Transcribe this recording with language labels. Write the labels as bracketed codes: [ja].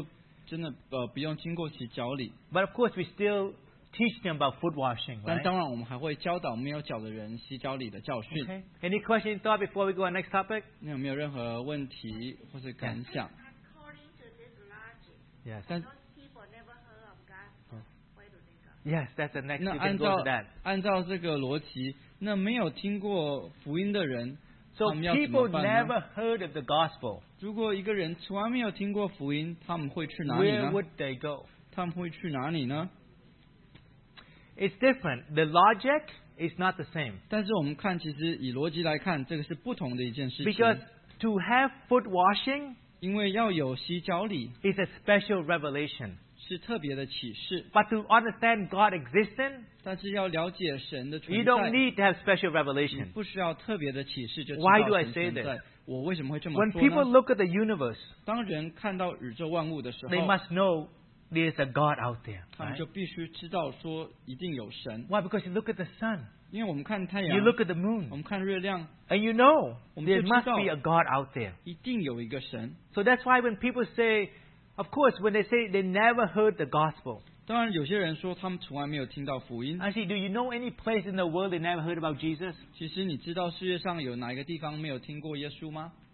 [zh] 因为主耶稣知道如果我们没有脚的话就真的不用经过洗脚礼。 [en] But of course we still teach them about foot washing, right? [zh] 但当然我们还会教导没有脚的人洗脚礼的教训。 [en] Okay. Any questions thought before we go on next topic? [zh] 你有没有任何问题或是感想? [en] According to this logic, yes. Those people never heard of God. Yes, that's the next. [zh] 那按照, [en] you can go to that. [zh] 按照这个逻辑, 那没有听过福音的人, [en] so people never heard of the gospel. [zh] 如果一个人从来没有听过福音, 他们会去哪里呢? [en] Where would they go? [zh] 他们会去哪里呢? [en] It's different. The logic is not the same. [zh] 但是我们看, [en] because to have foot washing is a special revelation. [zh] 是特别的启示, [en] but to understand God's existence, you don't need to have special revelation. Why do I say this? [zh] 我为什么会这么说呢? [en] When people look at the universe, [zh] 当人看到宇宙万物的时候, [en] they must know there's a God out there. Right? Why? Because you look at the sun. [zh] 因为我们看太阳, [en] you look at the moon. [zh] 我们看月亮, [en] and you know there must be a God out there. [zh] 一定有一个神, [en] so that's why when people say, of course, when they say they never heard the gospel. Actually, do you know any place in the world they never heard about Jesus? [zh] 其实你知道世界上有哪一个地方没有听过耶稣吗?